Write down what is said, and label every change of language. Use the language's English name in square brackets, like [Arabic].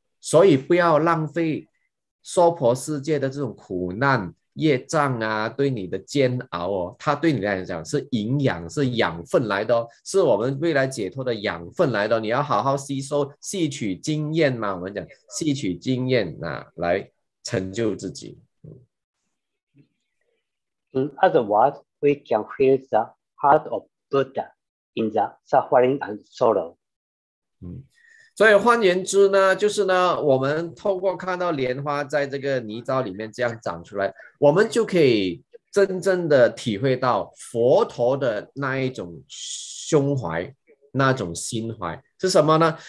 [Chinese] 所以不要浪费娑婆世界的这种苦难业障啊，对你的煎熬哦，它对你来讲是营养，是养分来的哦，是我们未来解脱的养分来的哦。你要好好吸收，吸取经验嘛，我们讲吸取经验啊，来成就自己。 [English] In other words, we can feel the heart of Buddha in the suffering and sorrow. [Chinese] 所以换言之呢，就是呢，我们透过看到莲花在这个泥沼里面这样长出来，我们就可以真正的体会到佛陀的那一种胸怀，那种心怀是什么呢？